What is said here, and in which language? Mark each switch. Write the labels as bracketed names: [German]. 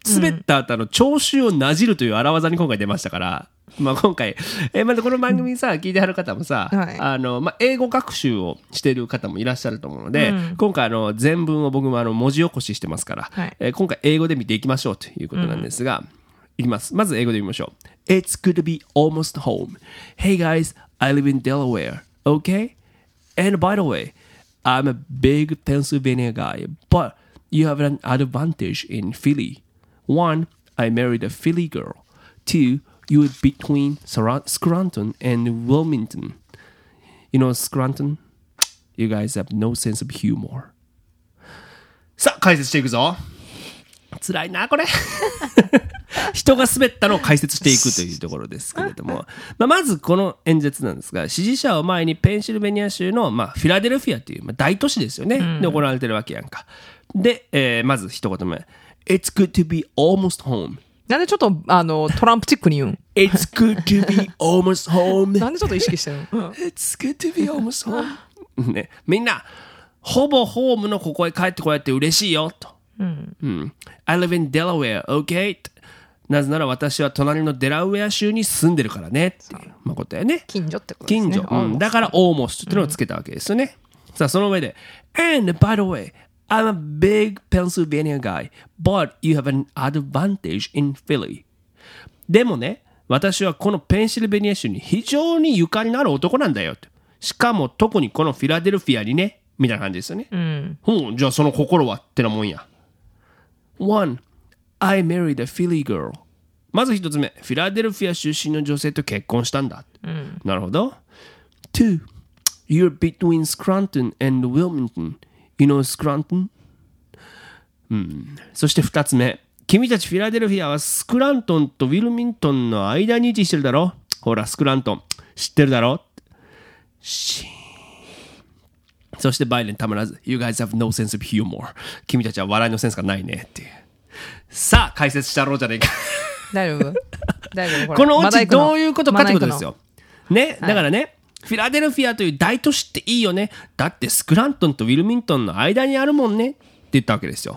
[Japanese] 滑った後の聴衆をなじるという荒技に今回出ましたから。まあ、今回またこの番組さ聞いてはる方もさ、はい、あのまあ英語学習をしてる方もいらっしゃると思うので、うん、今回あの全文を僕もあの文字起こししてますから、はい、今回英語で見ていきましょうということなんですが、うん、いきます。まず英語で見ましょう。 [English] It's good to be almost home. Hey guys, I live in Delaware. Okay? And by the way, I'm a big Pennsylvania guy, but you have an advantage in Philly. One, I married a Philly girl. Two,You're between Scranton and Wilmington. You know Scranton? You guys have no sense of humor. [Japanese] さあ解説していくぞ。辛いなこれ。人が滑ったのを解説していくというところですけれども、まあ、まずこの演説なんですが、支持者を前にペンシルベニア州の、まあ、フィラデルフィアという、まあ、大都市ですよね、うん、で行われてるわけやんか。で、まず一言目。 [English] It's good to be almost home. [Japanese] なんでちょっとあのトランプチックに言うん。 [English] It's good to be almost home. [Japanese] なんでちょっと意識してるの。 [English] It's good to be almost home. [Japanese] ね、みんなほぼホームのここへ帰ってこられて嬉しいよと。うん。 [English] うん。I live in Delaware, okay? [Japanese] なぜなら私は隣のデラウェア州に住んでるからねっていうまあことやね。近所ってことですね。近所。うん。だから almost っていうのをつけたわけですよね。うん、さあその上で [English] and by the way. I'm a big Pennsylvania guy, but you have an advantage in Philly. [Japanese] でもね、私はこのペンシルベニア州に非常にゆかりのある男なんだよ。しかも特にこのフィラデルフィアにね、みたいな感じですよね。うん。じゃあその心はってなもんや。 [English] One, I married a Philly girl. [Japanese] まず一つ目、フィラデルフィア出身の女性と結婚したんだ。うん。なるほど。 [English] Two, you're between Scranton and Wilmington. You know Scranton? [Japanese] うん、そして2つ目、君たちフィラデルフィアはスクラントンとウィルミントンの間に位置してるだろ。ほらスクラントン知ってるだろ。シーン。そしてバイデンたまらず [English] You guys have no sense of humor. [Japanese] 君たちは笑いのセンスがないねっていう。さあ解説したろうじゃねえか。大丈夫、大丈夫。このオチどういうことかってことですよ、ま、ね、だからね、はい、フィラデルフィアという大都市っていいよね。だってスクラントンとウィルミントンの間にあるもんねって言ったわけですよ、